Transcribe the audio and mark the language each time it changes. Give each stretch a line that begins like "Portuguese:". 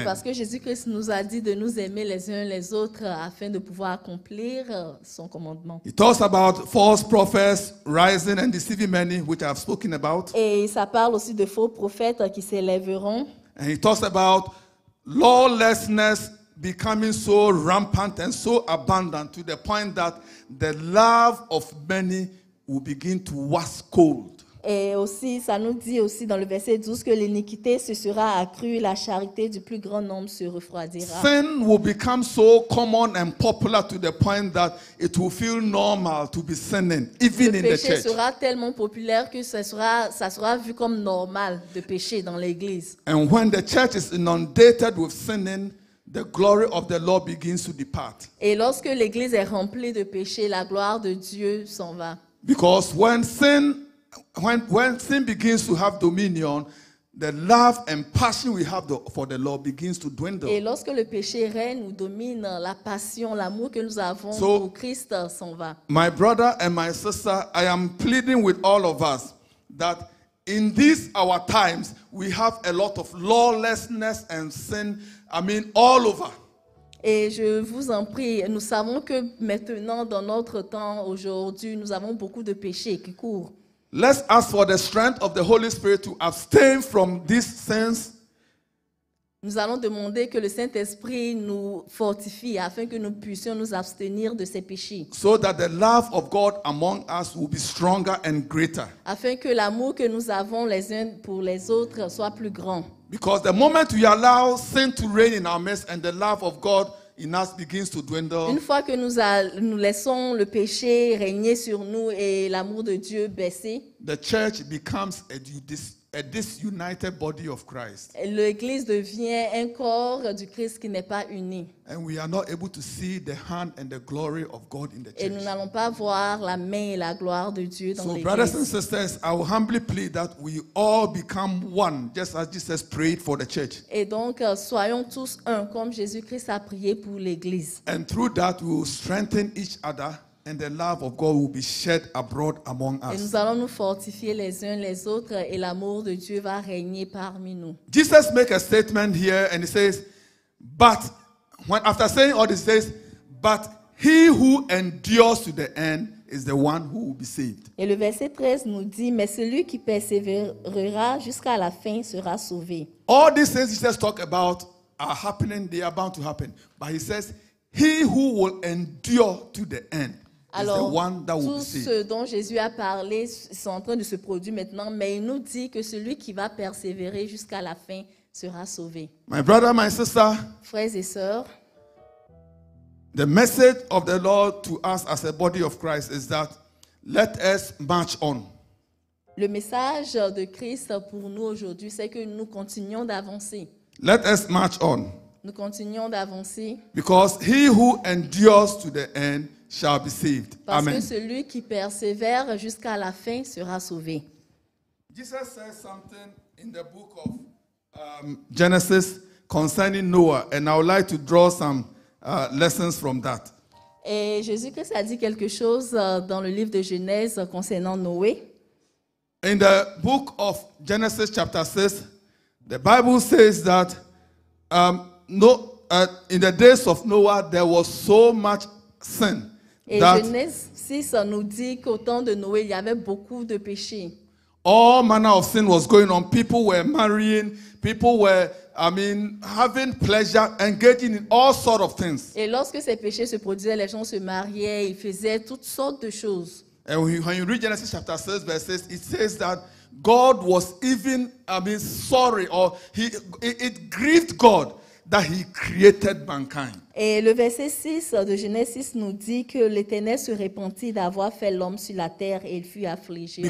French: Et parce que Jésus-Christ nous a dit de nous aimer les uns les autres afin de pouvoir accomplir son commandement.
English: He talks about false prophets rising and deceiving many, which I have spoken about.
French: Et ça parle aussi de faux prophètes qui s'élèveront.
English: And he talks about lawlessness becoming so rampant and so abundant to the point that the love of many will begin to wax cold.
French: Et aussi, ça nous dit aussi dans le verset 12 que l'iniquité se sera accrue, la charité du plus grand nombre se refroidira.
English: Sin will become so common and popular to the point that it will feel normal to be sinning, even in the church.
French: Le péché sera tellement populaire que ça sera vu comme normal de pécher dans l'église.
English: And when the church is inundated with sinning, the glory of the Lord begins to depart.
French: Et lorsque l'église est remplie de péché, la gloire de Dieu s'en va.
English: Because when sin begins to have dominion, the love and passion we have for the Lord begins to dwindle.
French: Et lorsque le péché règne ou domine, la passion, l'amour que nous avons pour Christ s'en va.
English: My brother and my sister, I am pleading with all of us that in these our times, we have a lot of lawlessness and sin, I mean, all over.
French: Et je vous en prie, nous savons que maintenant, dans notre temps, aujourd'hui, nous avons beaucoup de péchés qui courent.
English: Let's ask for the strength of the Holy Spirit to abstain from these sins.
French: Nous allons demander que le Saint-Esprit nous fortifie afin que nous puissions nous abstenir de ces péchés.
English: So that the love of God among us will be stronger and greater.
French: Afin que l'amour que nous avons les uns pour les autres soit plus grand.
English: Because the moment we allow sin to reign in our midst and the love of God in us begins to dwindle.
French: Une fois que nous laissons le péché régner sur nous et l'amour de Dieu baisser,
English: the church becomes a disunited body of Christ.
French: L'église devient un corps du Christ qui n'est pas uni.
English: And we are not able to see the hand and the glory of God in the church.
French: Et nous n'allons pas voir la main et la gloire de Dieu dans l'église.
English: So brothers and sisters, I will humbly plead that we all become one, just as Jesus prayed for the church.
French: Et donc soyons tous un comme Jésus-Christ a prié pour l'église.
English: And through that we will strengthen each other. And the love of God will be shed abroad among us.
French: Et nous allons nous fortifier les uns les autres et l'amour de Dieu va régner parmi nous.
English: Jesus makes a statement here and he says, but when after saying all this, he says, but he who endures to the end is the one who will be saved.
French: Et le verset 13 nous dit, mais celui qui persévérera jusqu'à la fin sera sauvé.
English: All these things Jesus talk about are happening, they are bound to happen. But he says, he who will endure to the end.
French: Alors, tout ce dont Jésus a parlé est en train de se produire maintenant, mais il nous dit que celui qui va persévérer jusqu'à la fin sera sauvé.
English: My brother, my sister,
French: frères et sœurs,
English: the message of the Lord to us as a body of Christ is that let us march on.
French: Le message de Christ pour nous aujourd'hui, c'est que nous continuons d'avancer.
English: Let us march on.
French: Nous continuons d'avancer.
English: Because he who endures to the end shall be saved.
French: Parce Amen. Que celui qui persévère jusqu'à la fin sera sauvé.
English: Jesus says something in the book of Genesis concerning Noah, and I would like to draw some lessons from that.
French: Et Jésus-Christ a dit quelque chose dans le livre de Genèse concernant Noé.
English: In the book of Genesis chapter 6, the Bible says that in the days of Noah there was so much sin.
French: Et Genèse 6 nous dit qu'au temps de Noé, il y avait beaucoup de péchés.
English: All manner of sin was going on. People were marrying. People were, having pleasure, engaging in all sorts of things.
French: Et lorsque ces péchés se produisaient, les gens se mariaient, ils faisaient toutes sortes de choses.
English: And when you read Genesis chapter 6, verse 6, it says that God was even, sorry, or it grieved God that he created mankind.
French: Et le verset 6 de Genèse 6 nous dit que l'Éternel se repentit d'avoir fait l'homme sur la terre et il fut affligé.